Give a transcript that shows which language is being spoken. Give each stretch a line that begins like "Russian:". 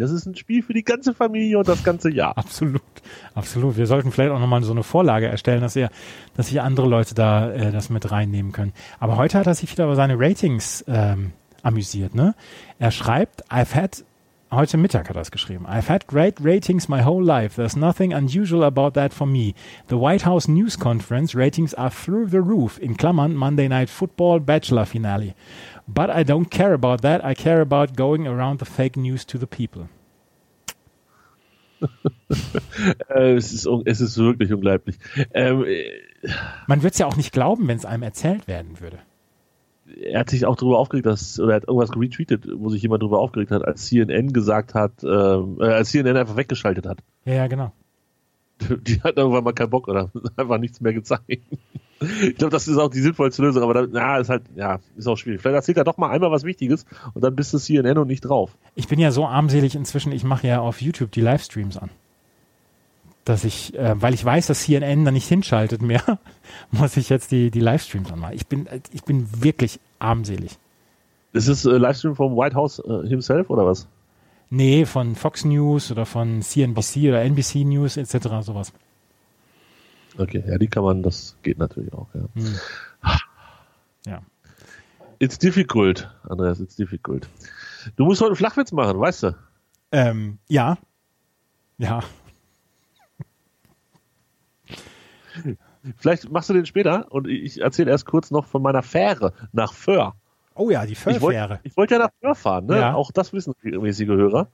German: Das ist ein Spiel für die ganze Familie und das ganze Jahr. Absolut. Wir sollten vielleicht auch nochmal so eine Vorlage erstellen, dass sich andere Leute da das mit reinnehmen können. Aber heute hat er sich wieder über seine Ratings amüsiert. Ne? Er schreibt, heute Mittag hat er es geschrieben.
English: I've had great ratings my whole life. There's nothing unusual about that for me. The White House News Conference ratings are through the roof,
German: in Klammern,
English: Monday Night Football Bachelor Finale. But I don't care about that. I care about going around the fake news to the people.
German: es ist wirklich unglaublich. Man würde es ja auch nicht glauben, wenn es einem erzählt werden würde. Er hat sich auch darüber aufgeregt, oder er hat irgendwas retweetet, wo sich jemand darüber aufgeregt hat, als CNN gesagt hat, als CNN einfach weggeschaltet hat. Ja, genau. Die hat irgendwann mal keinen Bock oder einfach nichts mehr gezeigt. Ich glaube, das ist auch die sinnvollste Lösung, aber ist auch schwierig. Vielleicht erzählt er doch mal einmal was Wichtiges und dann bist du CNN und nicht drauf. Ich bin ja so armselig inzwischen, ich mache ja auf YouTube die Livestreams an. Dass ich, weil ich weiß, dass CNN da nicht hinschaltet mehr, muss ich jetzt die Livestreams anmachen. Ich bin wirklich armselig. Ist das Livestream vom White House himself oder was? Nee, von Fox News oder von CNBC oder NBC News etc. sowas. Okay, ja, die kann man, das geht natürlich auch, ja. Ja.
English: It's difficult, Andreas, it's difficult.
German: Du musst heute einen Flachwitz machen, weißt du? Ja. Ja. Vielleicht machst du den später und ich erzähle erst kurz noch von meiner Fähre nach Föhr. Oh ja, die Föhr-Fähre. Ich wollte ja nach Föhr fahren, ne? Ja. Auch das wissen regelmäßige Hörer.